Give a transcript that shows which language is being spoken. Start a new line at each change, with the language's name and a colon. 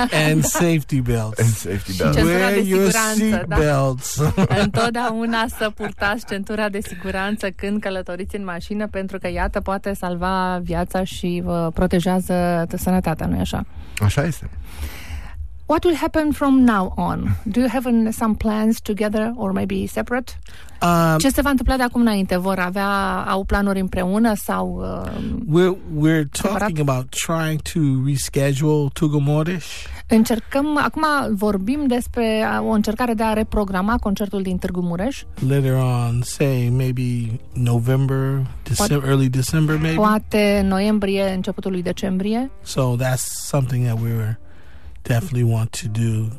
English: and safety belts. And safety belts.
Romanian: Și centura de siguranță, Întotdeauna să purtați centura de siguranță când călătoriți în mașină, pentru că iată, poate salva viața și vă protejează sănătatea, nu-i așa? Așa este.
English: What will happen from now on? Do you have some plans together or maybe separate?
Romanian: Ce se va întâmpla de acum înainte? Vor avea, au planuri împreună sau
English: we're talking about trying to reschedule Tugu Mordeș.
Romanian: Încercăm, acum vorbim despre o încercare de a reprograma concertul din Târgu Mureș.
English: Later on, say maybe November, early December maybe.
Romanian: Poate noiembrie, începutul lui decembrie.
English: So that's something that we were definitely want to do.